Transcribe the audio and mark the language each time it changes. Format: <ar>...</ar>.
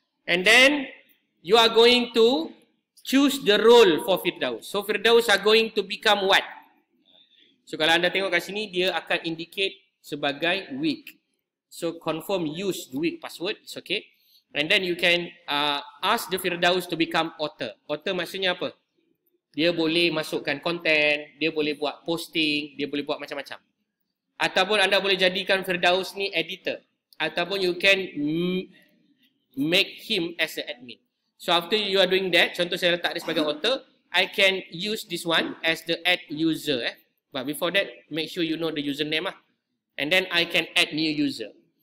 <en>And then, you are going to choose the role for Firdaus. So, Firdaus are going to become what? So,</en> <ms>kalau anda tengok kat sini, dia akan</ms> <en>indicate sebagai weak. So confirm use the weak password. It's okay. And then you can ask the Firdaus to become author.</en> <ms>Author maksudnya apa? Dia boleh masukkan content, dia boleh buat posting, dia boleh buat macam-macam. Ataupun anda boleh jadikan Firdaus ni editor.</ms> <en>Ataupun you can make him as an admin. So after you are doing that,</en> <ms>contoh saya letak dia sebagai author,</ms> <en>I can use this one as the ad user eh. But before that, make sure you know the username lah. And then I can add new user.</en>